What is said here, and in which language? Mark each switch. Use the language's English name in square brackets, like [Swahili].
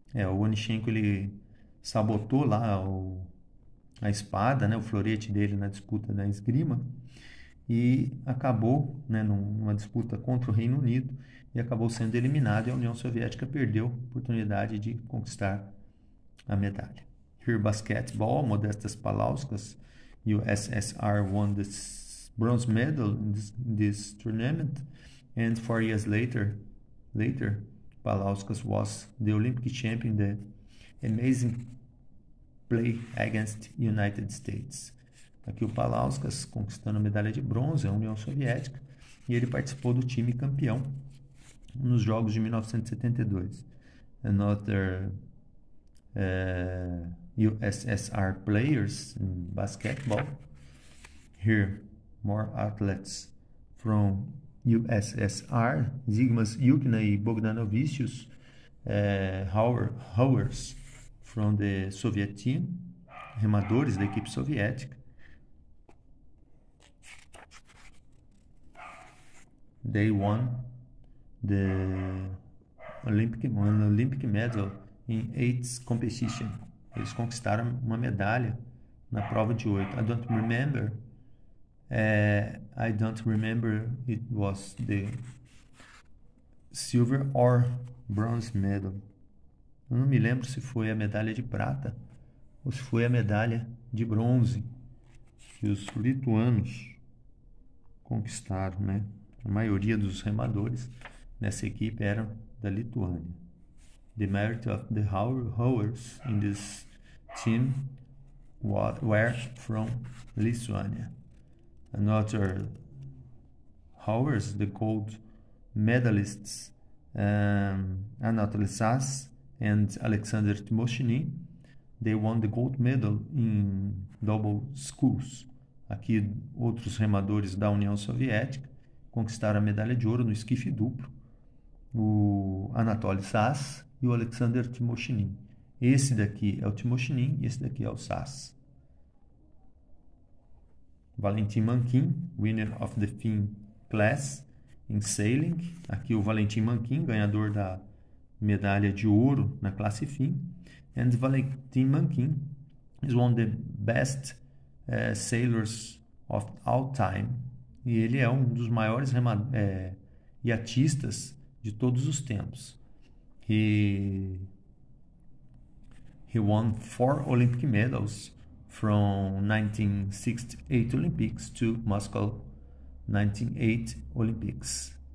[Portuguese] O Onishenko ele sabotou lá a espada, né, o florete dele na disputa da esgrima e acabou, né, numa disputa contra o Reino Unido e acabou sendo eliminado e a União Soviética perdeu a oportunidade de conquistar a medalha. [English] Here basketball, Modestas Palauskas. USSR won this bronze medal in this tournament, and 4 years later, Palauskas was the Olympic champion. The amazing play against United States. [Portuguese] Aqui o Palauskas conquistando a medalha de bronze à União Soviética e ele participou do time campeão nos Jogos de 1972. [English] Another USSR players in basketball. Here, more athletes from USSR. Zygmas Jukna e Bogdanovicius. Rowers from the Soviet team. [Portuguese] Remadores da equipe soviética. [English] They won the Olympic medal in eight competition. [Portuguese] Eles conquistaram uma medalha na prova de oito. [English] I don't remember. I don't remember it was the silver or bronze medal. [Portuguese] Eu não me lembro se foi a medalha de prata ou se foi a medalha de bronze que os lituanos conquistaram, né? A maioria dos remadores nessa equipe eram da Lituânia. [English] The merit of the rowers in this team were from Lithuania. Another rowers, the gold medalists, Anatolisas and Alexander Timoshnin, they won the gold medal in double sculls. [Portuguese] Aqui, outros remadores da União Soviética conquistaram a medalha de ouro no esquife duplo, o Anatoly Sass e o Alexander Timoshnin. Esse daqui é o Timoshnin e esse daqui é o Sass. [English] Valentin Mankin, winner of the fin class in sailing. [Portuguese] Aqui o Valentin Mankin, ganhador da medalha de ouro na classe fin. [English] And Valentin Mankin is one of the best sailors of all time. [Portuguese] E ele é um dos maiores iatistas de todos os tempos. [English] He won four Olympic medals from 1968 Olympics to Moscow 1980 Olympics.